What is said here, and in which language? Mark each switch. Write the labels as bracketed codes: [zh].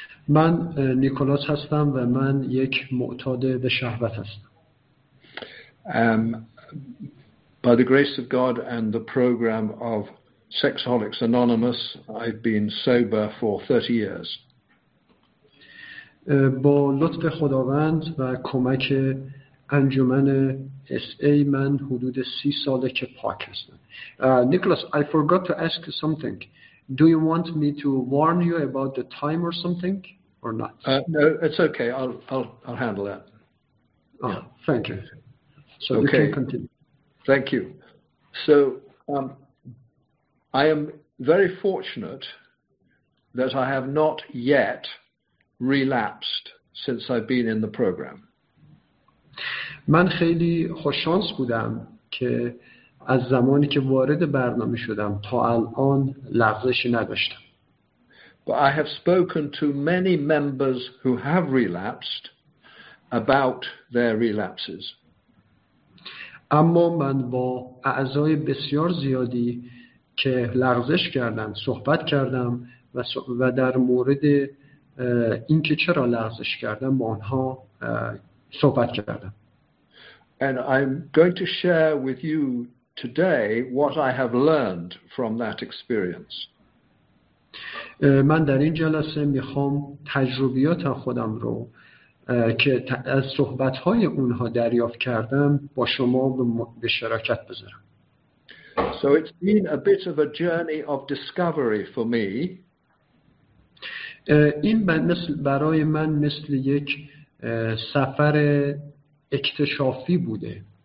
[fa] من نیکولاس هستم و من یک معتاد به شهوت هستم. [en] By the grace of God and the program of Sexaholics Anonymous, I've been sober for 30 years. [fa] با لطف خداوند و کمک انجمن SA من حدود 30 ساله که پاک هستم. [en] Nicholas, I forgot to ask you something. Do you want me to warn you about the time or something or not? No, it's okay. I'll handle that. Oh, thank you. So okay. You can continue. Thank you. So I am very fortunate that I have not yet relapsed since I've been in the program. [fa] من خیلی خوششانس بودم که از زمانی که وارد برنامه شدم تا الان لغزشی نداشتم. [en] But I have spoken to many members who have relapsed about their relapses. [fa] اما من با اعضای بسیار زیادی که لغزش کردند صحبت کردم و در مورد اینکه چرا لغزش کردم با آنها صحبت کردم. [en] And I'm going to share with you today what I have learned from that experience. [fa] من در این جلسه میخوام تجربیات خودم رو که از صحبت‌های اونها دریافت کردم با شما به شراکت بذارم. [en] So it's been a bit of a journey of discovery for me. [fa] این برای من مثل یک سفر اکتشافی بوده.